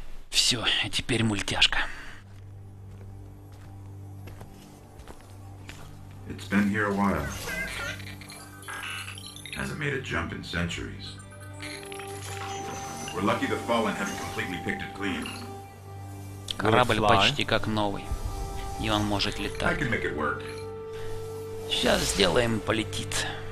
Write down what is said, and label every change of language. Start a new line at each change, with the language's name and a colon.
Russian: Все, теперь мультяшка.
English: It's been here a while. Hasn't made a jump in centuries. We're lucky the fallen haven't completely picked it clean.
Russian: Корабль почти как новый. И он может летать.
English: I can make it work.
Russian: Сейчас сделаем, полетит.